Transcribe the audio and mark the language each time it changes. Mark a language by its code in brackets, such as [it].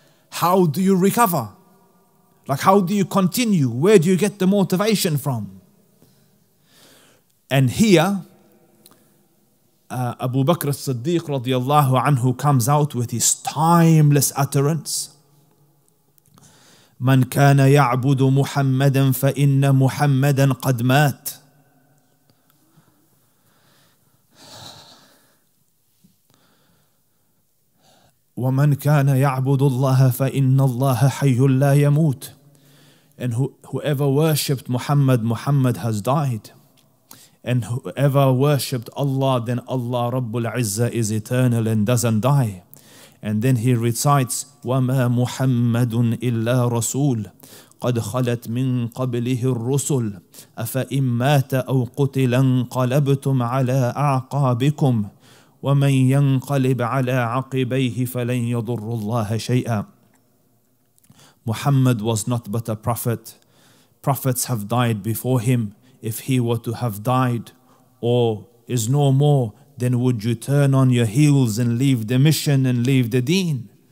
[en] How do you recover? Like, how do you continue? Where do you get the motivation from? And here, Abu Bakr as-Siddiq radiallahu anhu comes out with his timeless utterance. [ar] من كان يعبد محمدا فإن محمدا قد مات. ومن كان يعبد الله فإن الله حي لا يموت. [en] And whoever worshipped Muhammad, Muhammad has died. And whoever worshipped Allah, then Allah Rabbul Izzah is eternal and doesn't die. And then he recites, [ar] وَمَا مُحَمَّدٌ إِلَّا رَسُولٌ قَدْ خَلَتْ مِنْ قَبْلِهِ الرُّسُلُ أَفَإِنْ مَاتَ أَوْ قُتِلًا قَلَبْتُمْ عَلَىٰ أَعْقَابِكُمْ وَمَنْ يَنْقَلِبْ عَلَىٰ عَقِبَيْهِ فَلَنْ يَضُرُّ اللَّهَ شَيْئًا. [en] Muhammad was not but a prophet. Prophets have died before him. If he were to have died or is no more, then would you turn on your heels and leave the mission and leave the deen?